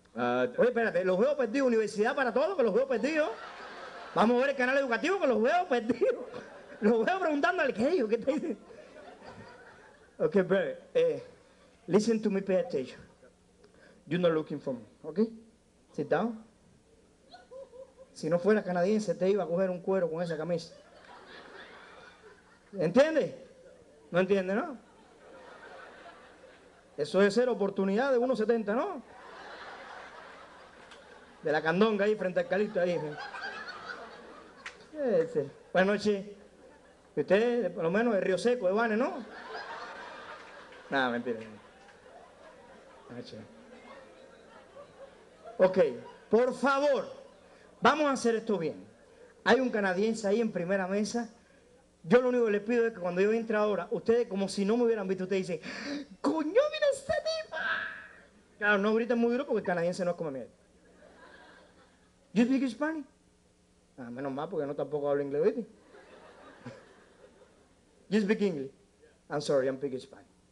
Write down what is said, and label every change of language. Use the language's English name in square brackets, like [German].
[Spanish] Oye, espérate, los veo perdidos. Universidad para todos, que los veo perdidos. Vamos a ver el canal educativo, que los veo perdidos. Los veo preguntándole, ¿qué ellos? ¿Qué te dicen? [English] Ok, Blair, listen to me, pay attention. You're not looking for me, ok? Sit down. [Spanish] Si no fuera canadiense, te iba a coger un cuero con esa camisa. ¿Entiendes? No entiende, ¿no? Eso debe ser oportunidad de 1.70, ¿no? De la candonga ahí, frente al calito ahí. Ese. Buenas noches. Usted, por lo menos, de Río Seco, de Vane, ¿no? Nada, mentira. Buenas noches. Ok, por favor. Vamos a hacer esto bien. Hay un canadiense ahí en primera mesa. Yo lo único que les pido es que cuando yo entre ahora, ustedes como si no me hubieran visto, ustedes dicen, ¡coño, mira este tipo! Claro, no griten muy duro porque el canadiense no es como mierda. ¿You speak Spanish? Ah, menos mal porque no tampoco hablo inglés, ¿viste? [English] ¿You speak English? I'm sorry, I'm speaking Spanish.